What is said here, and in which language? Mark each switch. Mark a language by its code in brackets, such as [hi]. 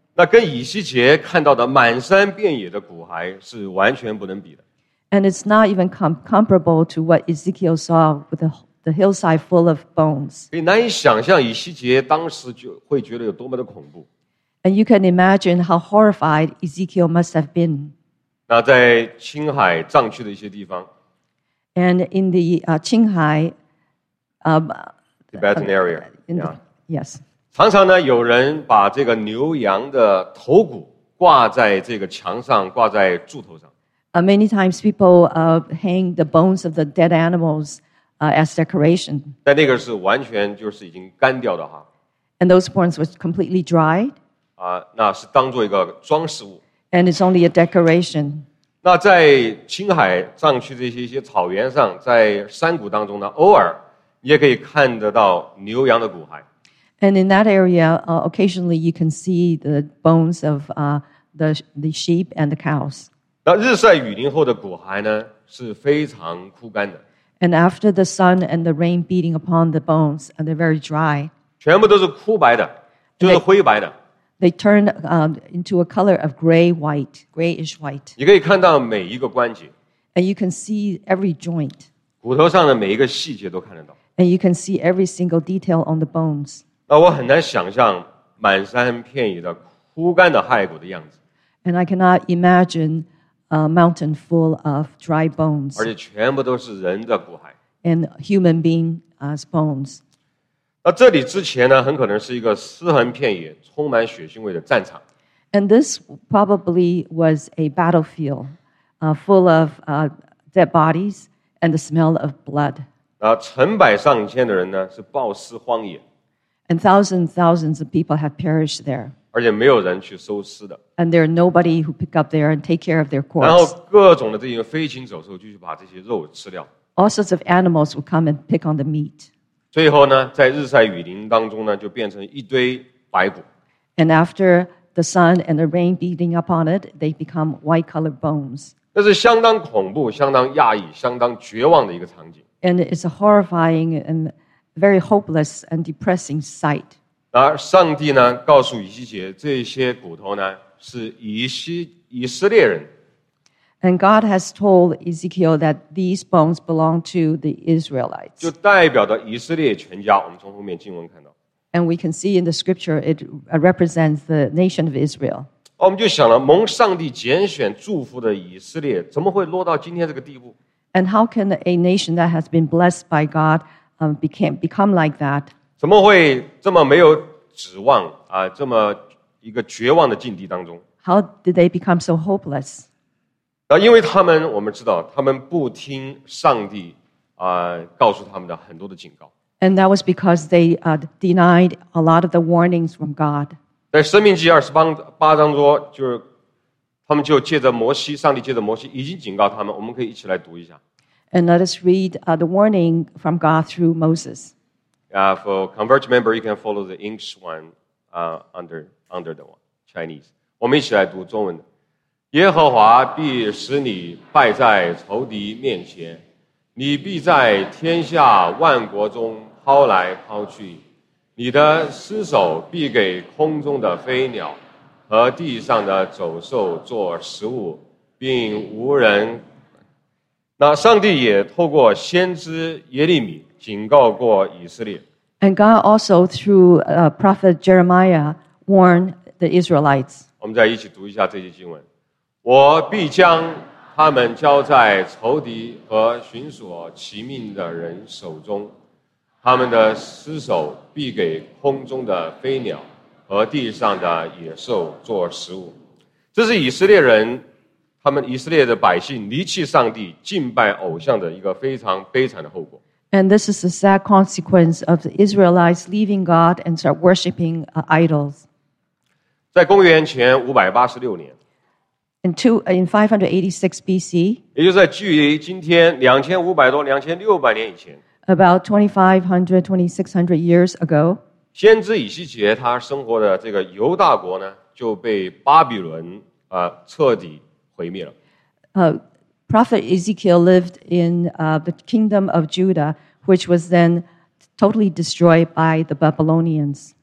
[zh] 那跟以西结看到的满山遍野的骨骸是完全不能比的。 [en] And it's not even comparable to what Ezekiel saw with the hillside full of bones. [zh] 你难以想象以西结当时就会觉得有多么的恐怖。 [en] And you can imagine how horrified Ezekiel must have been. [zh] 那在青海藏区的一些地方。 [en] And in the Qinghai, Tibetan area. Yes. [zh] 常常呢，有人把这个牛羊的头骨挂在这个墙上，挂在柱头上。 [en] Many times people hang the bones of the dead animals as decoration. [zh] 但那个是完全就是已经干掉的哈。 [en] And those bones were completely dried. [zh] 那是当做一个装饰物。 [en] And it's only a decoration. [zh] 那在青海藏区这些一些草原上，在山谷当中呢，偶尔你也可以看得到牛羊的骨骸。 [en] And in that area, occasionally you can see the bones of the sheep and the cows. [zh] 那日晒雨淋后的骨骸呢，是非常枯干的。 [en] And after the sun and the rain beating upon the bones, and they're very dry. [zh] 全部都是枯白的，就是灰白的。 [en] They turn into a color of gray white, grayish white. [zh] 你可以看到每一个关节。 [en] And you can see every joint. [zh] 骨头上的每一个细节都看得到。 [en] And you can see every single detail on the bones. [zh] 那我很难想象满山遍野的枯干的骸骨的样子。 [en] And I cannot imagine a mountain full of dry bones. [zh] 而且全部都是人的骨骸。 [en] And human being as bones. [zh] 那这里之前呢，很可能是一个尸横遍野、充满血腥味的战场。 [en] And this probably was a battlefield, full of dead bodies and the smell of blood. [zh] 那成百上千的人呢，是暴尸荒野。 [en] And thousands and thousands of people have perished there. [zh] 而且没有人去收尸的。 [en] And there are nobody who pick up there and take care of their corpse. [zh] 然后各种的这些飞禽走兽就去把这些肉吃掉。 [en] All sorts of animals will come and pick on the meat. [zh] 最后呢，在日晒雨淋当中呢，就变成一堆白骨。 [en] And after the sun and the rain beating upon it, they become white colored bones. [zh] 那是相当恐怖、相当讶异、相当绝望的一个场景。 [en] And it's a horrifying and very hopeless and depressing sight. [zh] 而上帝呢，告诉以西结，这些骨头呢，是以色列人。 [en] And God has told Ezekiel that these bones belong to the Israelites. [zh] 就代表着以色列全家。我们从后面经文看到。 [en] And we can see in the scripture it represents the nation of Israel. [zh] 我们就想了，蒙上帝拣选祝福的以色列，怎么会落到今天这个地步 [en] ？And how can a nation that has been blessed by God become like that. [zh] 怎么会这么没有指望啊？这么一个绝望的境地当中 [en] ？How did they become so hopeless？ [zh] 那因为他们，我们知道，他们不听上帝告诉他们的很多的警告。 [en] And that was because they denied a lot of the warnings from God. [zh] 在《申命记》28章说，就是他们就借着摩西，上帝借着摩西已经警告他们。我们可以一起来读一下。 [en] And let us read the warning from God through Moses. For Converge member, you can follow the English one under the one, Chinese. [zh] 我们一起来读中文的。耶和华必使你败在仇敌面前，你必在天下万国中抛来抛去，你的尸首必给空中的飞鸟和地上的走兽做食物，并无人。那上帝也透过先知耶利米警告过以色列。 [en] And God also through prophet Jeremiah warned the Israelites. [zh] 我们再一起读一下这些经文。我必将他们交在仇敌和寻索其命的人手中，他们的尸首必给空中的飞鸟和地上的野兽做食物。这是以色列人。他们以色列的百姓离弃上帝，敬拜偶像的一个非常悲惨的后果。 [en] And this is a sad consequence of the Israelites leaving God and start worshiping idols. [zh] 在公元前586年 [en] 586 BC, [zh] 也就是在距离今天2500多、2600年以前 [en] ，about 2500-2600 years ago, [zh] 先知以西结他生活的这个犹大国呢，就被巴比伦彻底。毁灭了。 [en] Prophet Ezekiel lived in the kingdom of Judah, which was then totally destroyed by the Babylonians.